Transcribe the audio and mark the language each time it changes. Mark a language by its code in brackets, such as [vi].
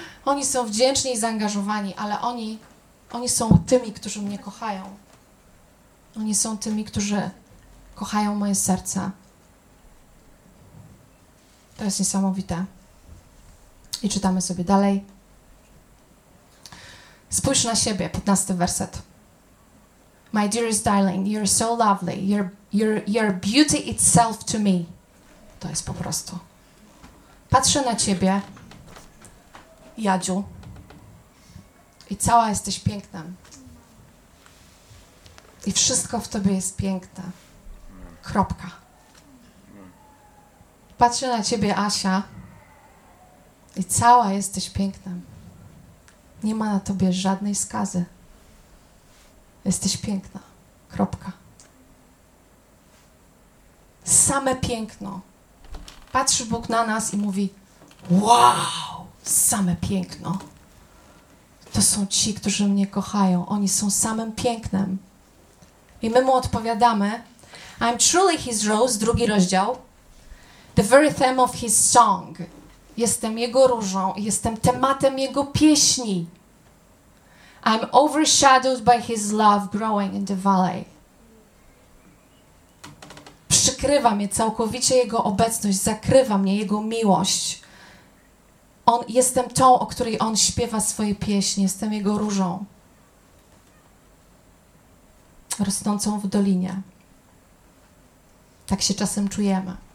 [pl] Oni są wdzięczni i zaangażowani, ale oni są tymi, którzy mnie kochają. Oni są tymi, którzy kochają moje serce. To jest niesamowite. I czytamy sobie dalej. Spójrz na siebie, 15 werset. [en] My dearest darling, you're so lovely. You're beauty itself to me. [pl] To jest po prostu. Patrzę na ciebie, Jadziu, i cała jesteś piękna. I wszystko w tobie jest piękne. Kropka. Patrzę na ciebie, Asia, i cała jesteś piękna. Nie ma na tobie żadnej skazy. Jesteś piękna. Kropka. Same piękno. Patrzy Bóg na nas i mówi: wow, same piękno. To są ci, którzy mnie kochają. Oni są samym pięknem. I my mu odpowiadamy: [en] I'm truly his rose, [pl] drugi rozdział. [en] The very theme of his song. [pl] Jestem jego różą, jestem tematem jego pieśni. [en] I'm overshadowed by his love growing in the valley. [pl] Przykrywa mnie całkowicie jego obecność, zakrywa mnie jego miłość. Jestem tą, o której on śpiewa swoje pieśni, jestem jego różą. Rosnącą w dolinie. Tak się czasem czujemy.